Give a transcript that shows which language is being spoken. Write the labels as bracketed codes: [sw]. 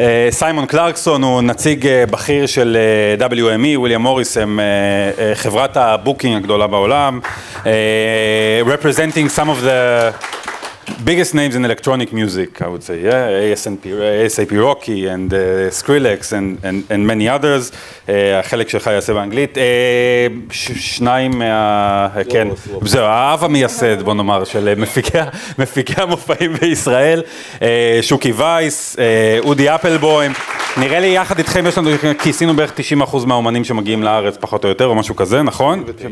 [he] סיימון קלרקסון הוא נציג בכיר של WME, וויליאם מוריס, הם חברת הבוקינג הגדולה בעולם. [en] Representing some of the biggest names in electronic music, I would say, ASAP Rocky and Skrillex and many others. [he] החלק שלך יעשה באנגלית. שניים מה... כן, זה האב המייסד, בוא נאמר, של מפיקי המופעים בישראל. שוקי וייס, אודי אפלבוים. נראה לי יחד איתכם יש לנו, כי עשינו בערך 90% מהאומנים שמגיעים לארץ, פחות או יותר, או משהו כזה, נכון?